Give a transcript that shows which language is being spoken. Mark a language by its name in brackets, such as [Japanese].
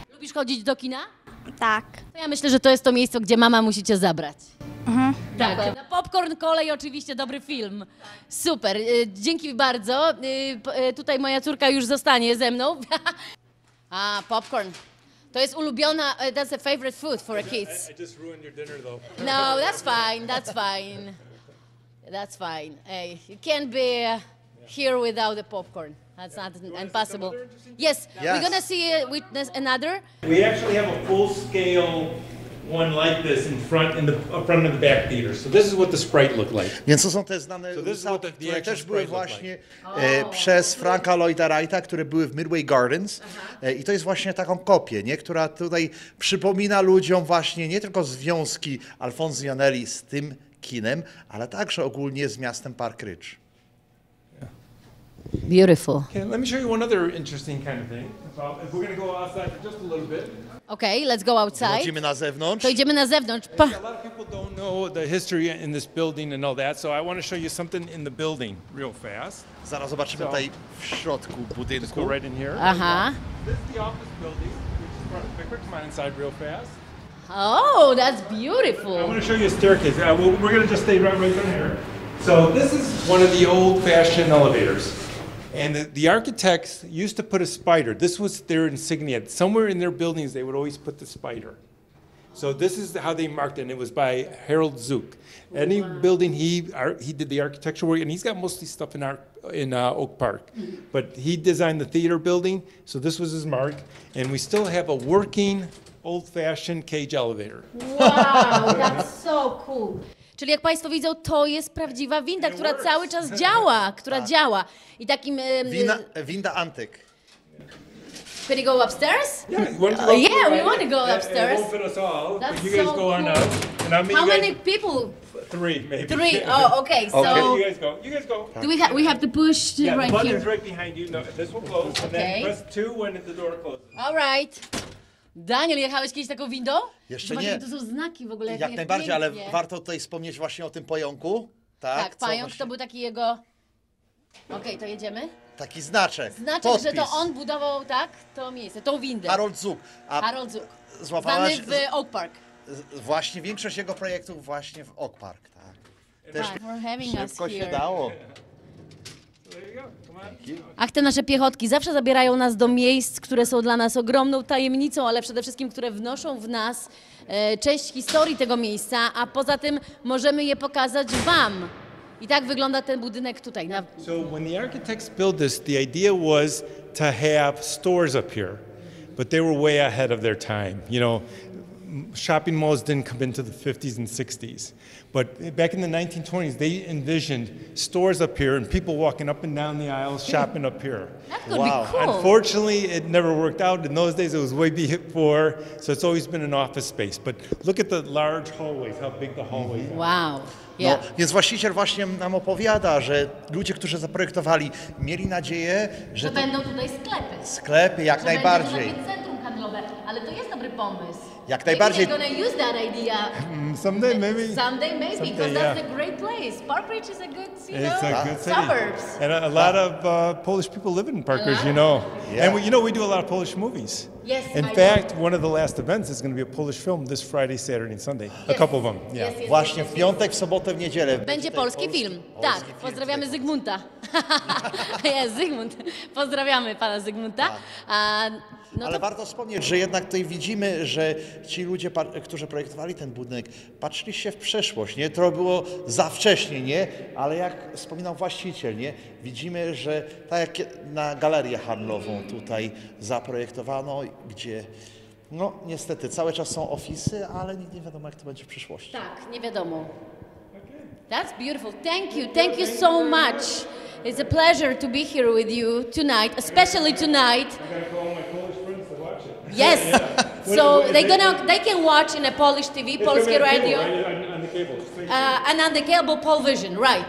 [Polish] Lubisz chodzić do kina? Tak. Ja myślę, że to jest to miejsce, gdzie mama musi cię zabrać. Mhm. Tak. Dobra. Na popcorn, kolej, oczywiście dobry film. Super. Dzięki bardzo. Tutaj moja córka już zostanie ze mną. A, popcorn. To jest ulubiona, [English] that's a favorite food for a kids. I just ruined your dinner though. No, that's fine. That's fine. Hey, you can't be here without the popcorn. That's not impossible. Yes. We're gonna see witness another. We actually have a full scale one like this in front in the front of the back theater. So this is what the sprite looked like. [Polish] Więc to są te znane rusałki, które też były właśnie przez Franka Lloyda Wrighta, które były w Midway Gardens. I to jest właśnie taką kopię, nie? Która tutaj przypomina ludziom właśnie nie tylko związki Alfonso Janelli z tym kinem, ale także ogólnie z miastem Park Ridge. [English] Beautiful. Okay, let me show you one other interesting kind of thing. If we're going to go outside for just a little bit. Okay, let's go outside. [Polish] Chodzimy na zewnątrz. To idziemy na zewnątrz. [English] A lot of people don't know the history in this building and all that, so I want to show you something in the building real fast. [Polish] Zaraz zobaczymy tutaj w środku budynku. [English] Just go right in here. Aha. This is the office building, which is in front of Pickwick. Come on inside real fast. Oh, that's beautiful. I want to show you a staircase. We're going to just stay right in here. So this is one of the old-fashioned elevators. And the architects used to put a spider. This was their insignia. Somewhere in their buildings, they would always put the spider. So this is how they marked it, and it was by Harold Zook. Any building, he did the architectural work, and he's got mostly stuff in Oak Park. But he designed the theater building, so this was his mark. And we still have a working, old-fashioned cage elevator. Wow, that's so cool. [Polish] Czyli jak Państwo widzą, to jest prawdziwa winda, która cały czas działa, która działa. I takim... Winda antyk. [English] Can you go upstairs? Yeah, we want to go upstairs. It won't fit us all, but you guys go on up. And I'll meet you guys. How many people? Three, maybe. Three, oh, okay. So you guys go. Do we have to push right here? Yeah, the button's right behind you. No, this will close, and then press two when the door closes. All right. [Polish] Daniel, jechałeś kiedyś taką windą? Jeszcze nie. To są znaki w ogóle. Jak najbardziej, ale warto tutaj wspomnieć właśnie o tym pająku. Tak, pająk to był taki jego... Okej, to jedziemy. Taki znaczek, znaczek, podpis. Że to on budował tak to miejsce, tą windę. Harold Zook. Złapałaś... Znany w Oak Park. Właśnie, większość jego projektów właśnie w Oak Park, tak. Też [English] for having us [Polish] szybko się dało. Ach, te nasze piechotki zawsze zabierają nas do miejsc, które są dla nas ogromną tajemnicą, ale przede wszystkim, które wnoszą w nas część historii tego miejsca, a poza tym możemy je pokazać wam. I tak wygląda ten budynek tutaj. [English] So when the architects built this, the idea was to have stores up here, but they were way ahead of their time. You know, shopping malls didn't come into the 50s and 60s. But back in the 1920s, they envisioned stores up here and people walking up and down the aisles shopping up here. That's gonna be cool. Unfortunately, it never worked out. In those days, it was way before, so it's always been an office space. But look at the large hallways, how big the hallways are. Wow. [Polish] No, więc właściciel właśnie nam opowiada, że ludzie, którzy zaprojektowali, mieli nadzieję, że... To będą tutaj sklepy. Sklepy, jak że najbardziej. Będzie centrum handlowe, ale to jest dobry pomysł. Jak najbardziej. [English] Maybe they're gonna use that idea. Someday, maybe. That's a great place. Park Ridge is a good, you know, suburbs. And a lot of Polish people live in Park Ridge, you know. Yeah. And we do a lot of Polish movies. Yes, in fact, one of the last events is going to be a Polish film this Friday, Saturday and Sunday. Yes. A couple of them. Yeah. [Polish] Właśnie w piątek, w sobotę, w niedzielę. Będzie polski film. Tak, pozdrawiamy Zygmunta. Jest Zygmunt. Pozdrawiamy pana Zygmunta. Ale warto wspomnieć, że jednak tutaj widzimy, że ci ludzie, którzy projektowali ten budynek, patrzyli się w przeszłość. Nie, to było za wcześnie, nie? Ale jak wspominał właściciel, nie? Widzimy, że tak jak na galerię handlową tutaj zaprojektowano, gdzie no niestety cały czas są ofisy, ale nikt nie wiadomo, jak to będzie w przyszłości. Tak, nie wiadomo. [English] That's beautiful. Thank you so much. It's a pleasure to be here with you tonight, especially tonight. Yes. So they can watch in a Polish TV, Polskie Radio. Right? On the cable. And on the cable, Polvision, right.